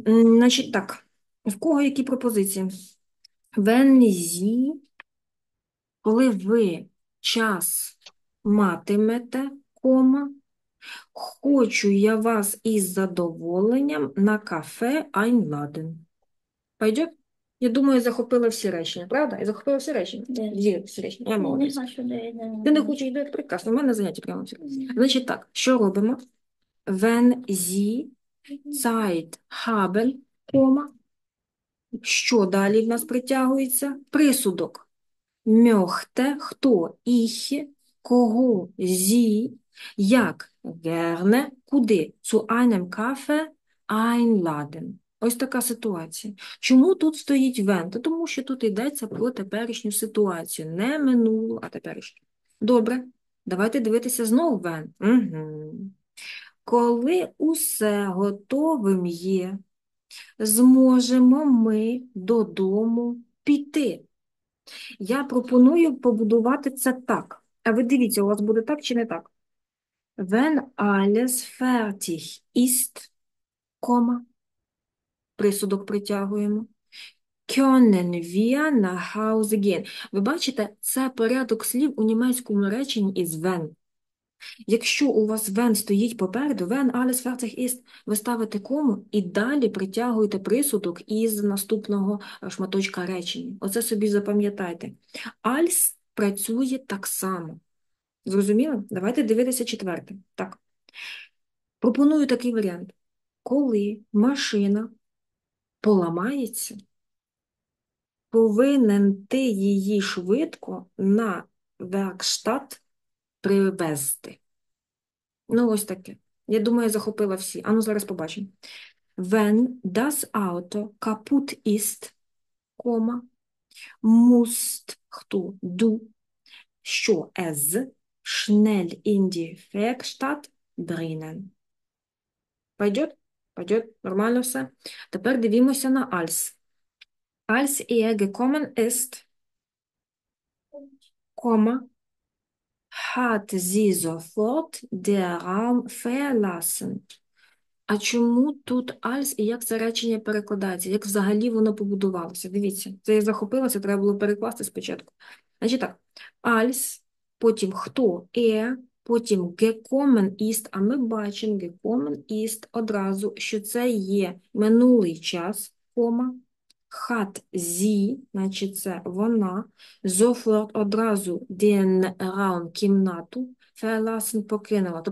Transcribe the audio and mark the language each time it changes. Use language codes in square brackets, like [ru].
[uk] Значить, так. В кого які пропозиції? [de] Wenn Sie, [uk] коли ви час матимете, кома, хочу я вас із задоволенням на кафе einladen. Пойдет? Я думаю, захопила всі речі, правда? Я захопила всі речі. Є всі речі. Я Нема молодець. що де Ти не хочеш йти? Прекрасно. У мене заняття прямо всі. Значить так, що робимо? [de] Wenn sie Zeit haben, кома. [uk] Що далі в нас притягується? Присудок. [de] Möchte, хто, ich, кого, sie, як, gerne, куди, zu einem Kaffee einladen. [uk] Ось така ситуація. Чому тут стоїть вен? Та тому що тут йдеться про теперішню ситуацію. Не минулу, а теперішню. Добре, давайте дивитися знову вен. Коли усе готовим є, зможемо ми додому піти. Я пропоную побудувати це так. А ви дивіться, у вас буде так чи не так? [de] Wenn alles fertig ist, кома. [uk] Присудок притягуємо. [de] Können wir nach Hause gehen? [uk] Ви бачите, це порядок слів у німецькому реченні із wenn. Якщо у вас wenn стоїть попереду, [de] wenn alles fertig ist, [uk] ви ставите кому і далі притягуєте присудок із наступного шматочка речення. Оце собі запам'ятайте. Als працює так само. Зрозуміло? Давайте дивитися четверте. Так. Пропоную такий варіант. Коли машина поламається, повинен ти її швидко на веркштат привезти. Ну, ось таке. Я думаю, я захопила всі. Ану, зараз побачимо. [de] Wenn das Auto kaputt ist, кома, musst, хто, du, що, es, schnell in die Werkstatt bringen. [uk] Пойдет? Пойдет, нормально все. Тепер дивимося на als. [de] Als er gekommen ist, кома, hat sie sofort der Raum verlassen. [uk] А чому тут als і як це речення перекладається? Як взагалі воно побудувалося? Дивіться, це я захопилася, треба було перекласти спочатку. Значить так, als, потім хто, er, потім [de] gekommen ist, [uk] а ми бачимо gekommen ist одразу, що це є минулий час, кома, [de] hat sie, [uk] значить це вона, sofort одразу den Raum, кімнату, verlassen, покинула.